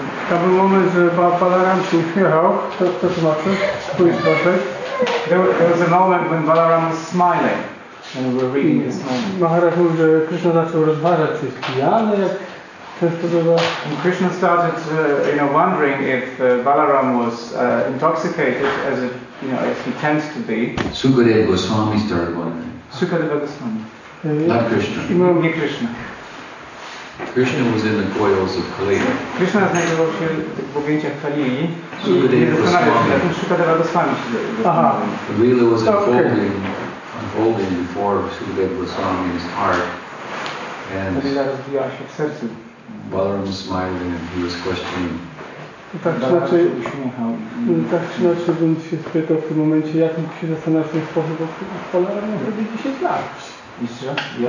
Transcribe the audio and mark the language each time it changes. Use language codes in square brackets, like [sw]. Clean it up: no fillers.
[pl] Ja bym mówił z Balaram się uśmiechał, kto to tłumaczy? Pójdź proszę. [en] There was a moment when Balaram was smiling and we were reading this moment. [pl] Maharaj mówi, że Krishna zaczął rozważać, czy jest pijany, jak często bywa. [en] And Krishna started wondering if Balaram was intoxicated, as if, as he tends to be. Sukadeva Goswami started wondering. Sukadeva Goswami. Not Krishna. [pl] Nie Krishna. [en] Krishna was in the coils of Kali. [pl] Krishna znajdował się w objęciach Kali. [en] I Sukadeva Goswami. The Leela was unfolding, unfolding before Sukadeva Goswami's heart. And [pl] Leela rozwijała się w sercu. [en] Balaram was smiling and he was questioning. [pl] Tak czy inaczej bym się spytał w tym momencie, jak mógł się zastanawiać w ten sposób, bo Balaram miał wtedy 10 lat.